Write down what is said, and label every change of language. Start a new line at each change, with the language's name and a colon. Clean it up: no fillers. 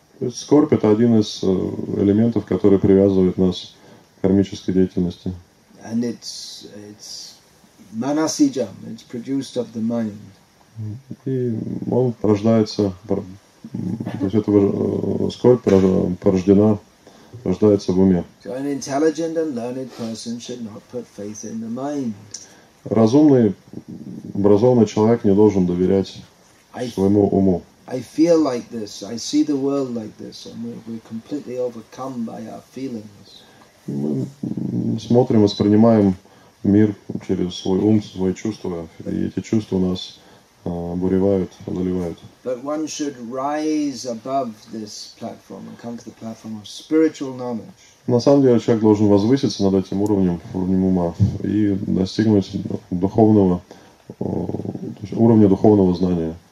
Russian: Скорбь — это один из элементов, который привязывает нас к кармической деятельности.
English: And it's manasijam, it's produced of the mind.
Russian: И он рождается, то есть эта скорбь порождена, рождается в уме.
English: So an intelligent and learned person should not put faith in the mind.
Russian: Разумный, образованный человек не должен доверять своему уму.
English: I feel like this. I see the world like this, and we're completely overcome by our feelings.
Russian: Мы смотрим, воспринимаем мир через свой ум, свои чувства, и эти чувства нас буревают, одолевают.
English: But one should rise above this platform and come to the platform of spiritual knowledge.
Russian: На самом деле человек должен возвыситься над этим уровнем, уровнем ума, и достигнуть духовного, то есть уровня духовного знания.